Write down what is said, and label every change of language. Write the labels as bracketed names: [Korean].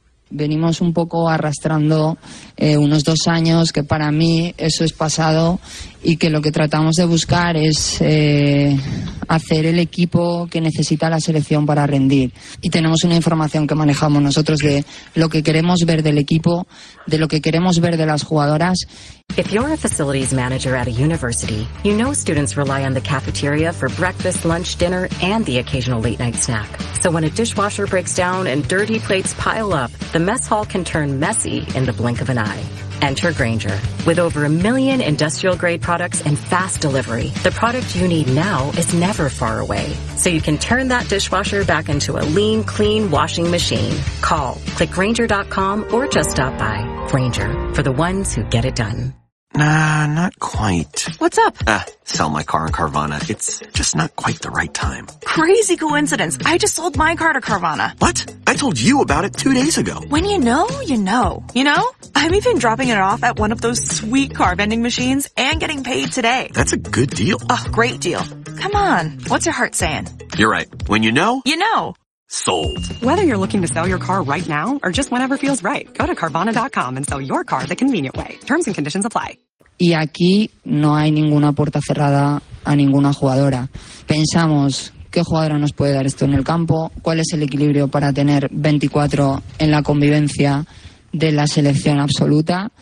[Spanish] Venimos un poco arrastrando unos dos años, que para mí eso es pasado, y que lo que tratamos de buscar es hacer el equipo que necesita la selección para rendir. Y tenemos una información que manejamos nosotros de lo que queremos ver del equipo, de lo que queremos ver de las jugadoras. [English] If you're a facilities manager at a university, you know students rely on the cafeteria for breakfast, lunch, dinner, and the occasional late-night snack. So when a dishwasher breaks down and dirty plates pile up, the mess hall can turn messy in the blink of an eye. Enter Grainger. With over a million industrial-grade products and fast delivery, the product you need now is never far away. So you can turn that dishwasher back into a lean, clean washing machine. Call, click Grainger.com, or just stop by. Grainger, for the ones who get it done. Nah, not quite. What's up? Sell my car in Carvana. It's just not quite the right time. Crazy coincidence. I just sold my car to Carvana. What? I told you about it 2 days ago. When you know, you know. You know? I'm even dropping it off at one of those sweet car vending machines and getting paid today. That's a good deal. Oh, great deal. Come on. What's your heart saying? You're right. When you know, you know. Sold. Whether you're looking to sell your car right now or just whenever feels right, go to Carvana.com and sell your car the convenient way. Terms and conditions apply. [Spanish] Y aquí no hay ninguna puerta cerrada a ninguna jugadora. Pensamos qué jugadora nos puede dar esto en el campo, cuál es el equilibrio para tener 24 en la convivencia de la selección absoluta.